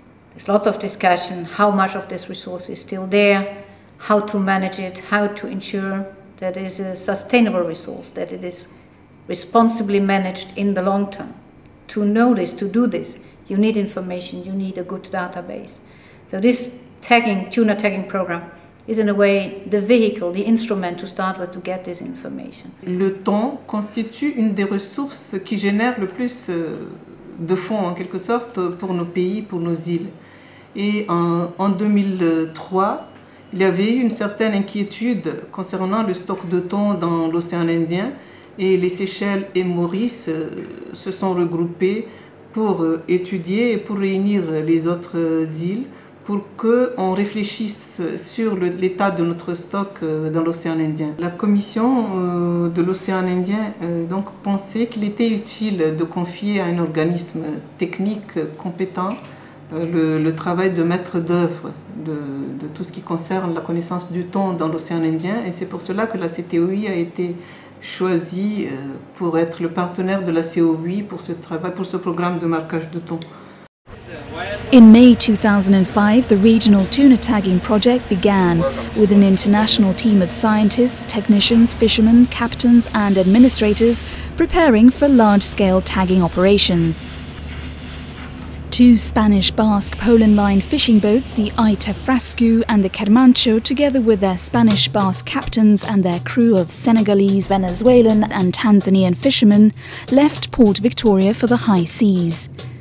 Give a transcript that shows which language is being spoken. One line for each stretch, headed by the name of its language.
English: There's lots of discussion how much of this resource is still there, how to manage it, how to ensure that it is a sustainable resource, that it is responsibly managed in the long term. To know this, to do this, you need information, you need a good database. So this tagging, tuna tagging program is in a way the vehicle, the instrument to start with to get this information.
French: Le temps constitue une des ressources qui génère le plus de fonds en quelque sorte pour nos pays, pour nos îles. Et en 2003, il y avait eu une certaine inquiétude concernant le stock de thon dans l'océan Indien et les Seychelles et Maurice se sont regroupés pour étudier et pour réunir les autres îles pour qu'on réfléchisse sur l'état de notre stock dans l'océan Indien. La commission de l'océan Indien donc pensait qu'il était utile de confier à un organisme technique compétent le travail de maître d'œuvre de tout ce qui concerne la connaissance du thon dans l'océan Indien. Et c'est pour cela que la CTOI a été choisie pour être le partenaire de la COI pour ce travail, pour ce programme de marquage de thon.
English: In May 2005, the regional tuna tagging project began with an international team of scientists, technicians, fishermen, captains and administrators preparing for large-scale tagging operations. Two Spanish Basque Poland Line fishing boats, the Aitefrescu and the Kermancho, together with their Spanish Basque captains and their crew of Senegalese, Venezuelan and Tanzanian fishermen, left Port Victoria for the high seas.